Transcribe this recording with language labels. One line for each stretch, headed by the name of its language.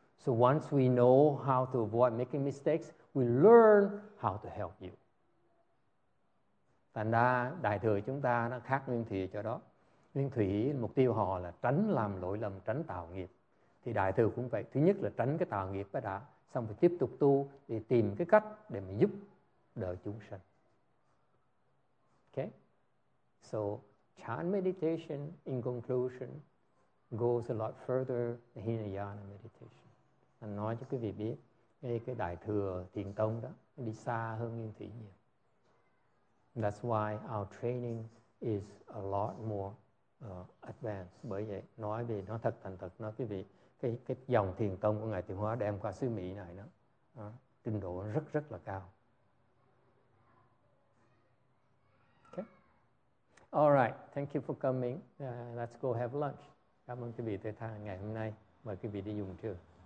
English: So once we know how to avoid making mistakes, we learn how to help you.
Vietnamese: Thành ra Đại Thừa chúng ta nó khác Nguyên Thủy cho đó. Nguyên Thủy mục tiêu họ là tránh làm lỗi lầm, tránh tạo nghiệp. Thì Đại Thừa cũng vậy. Thứ nhất là tránh cái tạo nghiệp đã, xong phải tiếp tục tu để tìm cái cách để mà giúp đỡ chúng sanh.
English: Okay? So, Chan meditation in conclusion goes a lot further than Hinayana meditation.
Vietnamese: Anh nói cho quý vị biết, cái Đại Thừa Thiền Tông đó, nó đi xa hơn Nguyên Thủy nhiều.
English: That's why our training is a lot more advanced.
Vietnamese: Bởi vậy, nói về nó thật thành thật, nói quý vị, cái dòng thiền tông của Ngài Tiểu Hóa đem qua xứ Mỹ này đó, trình độ rất rất là cao.
English: Okay. All right, thank you for coming. Let's go have lunch.
Vietnamese: Cảm ơn quý vị tới thăm ngày hôm nay. Mời quý vị đi dùng trưa.